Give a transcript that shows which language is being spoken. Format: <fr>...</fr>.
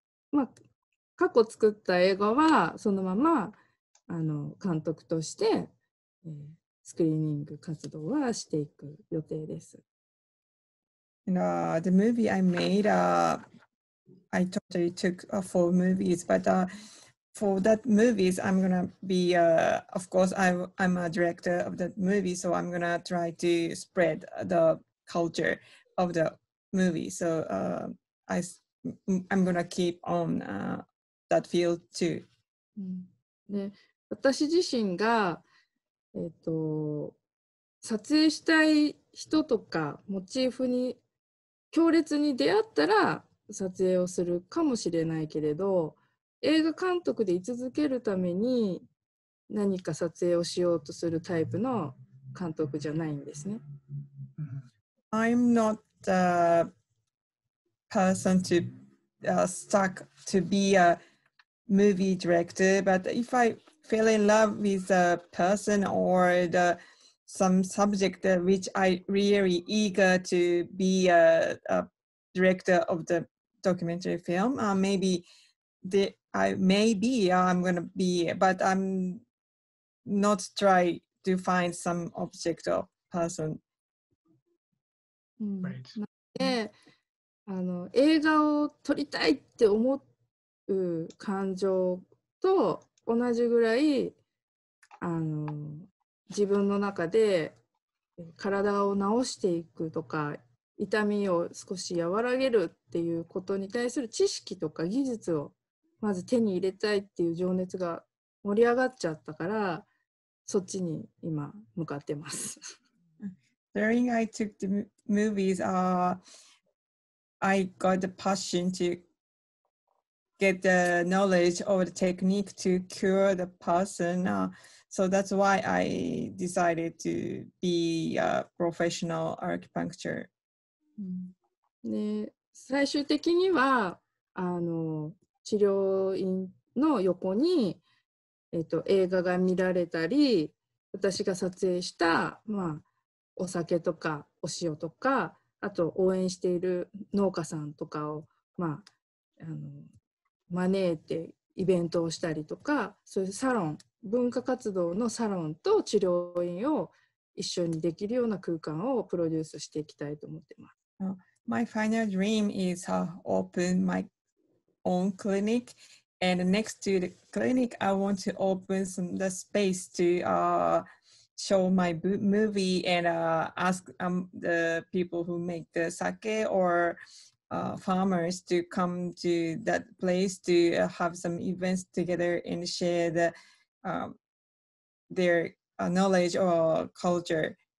<ja>まあ、過去作った映画はそのまま監督として、スクリーニング活動はしていく予定です。</ja> <en>And, the movie I made, I totally took four movies, but for that movies, I'm gonna be, of course, I'm a director of that movie, so I'm gonna try to spread the culture of the movie. So, I'm gonna keep on that field too.</en> <ja>で、私自身が、撮影したい人とかモチーフに強烈に出会ったら撮影をするかもしれないけれど、映画監督で居続けるために何か撮影をしようとするタイプの監督じゃないんですね。</ja> <en>I'm not the person to stuck to be a movie director, but if I fell in love with a person or some subject which I really eager to be a director of the documentary film, but I'm not try to find some object or person. Right. Yeah.</en> <ja>映画を撮りたいって思う感情と同じぐらい自分の中で体を治していくとか痛みを少し和らげるっていうことに対する知識とか技術をまず手に入れたいっていう情熱が盛り上がっちゃったから、そっちに今向かってます。</ja> <en>During I took the movies, I got the passion to get the knowledge or the technique to cure the person. So that's why I decided to be a professional acupuncture.</en> <ja>で、最終的には、あの、治療院の横に、映画が見られたり、私が撮影した、まあ、お酒とかお塩とか、あと応援している農家さんとかを、まあ、あの、招いてイベントをしたりとか、そういうサロン、文化活動のサロンと治療院を一緒にできるような空間をプロデュースしていきたいと思ってます。</ja> <en>My final dream is to open my own clinic, and next to the clinic, I want to open some the space to show my movie and ask the people who make the sake or farmers to come to that place to have some events together and share the, their knowledge or culture.</en>